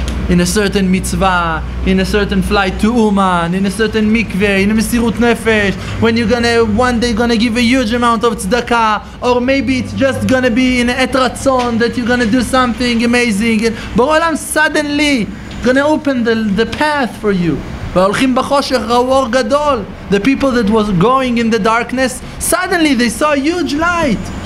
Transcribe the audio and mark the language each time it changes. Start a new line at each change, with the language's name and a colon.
English: In a certain mitzvah, in a certain flight to Uman, in a certain mikveh, in a mesirut nefesh, when you're gonna one day gonna give a huge amount of tzedakah, or maybe it's just gonna be in et ratzon that you're gonna do something amazing, and Borolam suddenly gonna open the path for you.
Hebrew: והולכים בחושך ראו אור גדול.
English: The people that was going in the darkness, suddenly they saw huge light.